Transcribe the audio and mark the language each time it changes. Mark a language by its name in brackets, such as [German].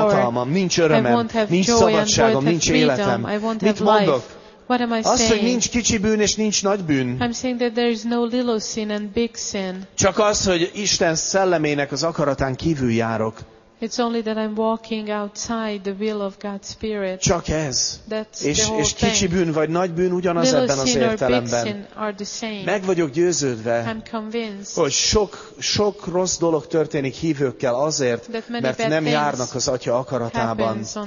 [Hungarian] Hatalmam, nincs örömem, nincs szabadságom, nincs életem. Mit mondok? Azt, hogy nincs kicsi bűn és nincs nagy bűn. [English] I'm saying that there is no little sin and big sin. [Hungarian] Csak az, hogy Isten szellemének az akaratán kívül járok. [English] It's only that I'm walking outside the will of God's spirit. [Hungarian] Csak ez. [English] That's [Hungarian] és kicsi bűn vagy nagy bűn ugyanaz [English] little [Hungarian] ebben az értelemben. [English] Sin or big sin are the same. [Hungarian] Meg vagyok győződve, hogy sok rossz dolog történik hívőkkel azért, mert nem járnak az Atya akaratában.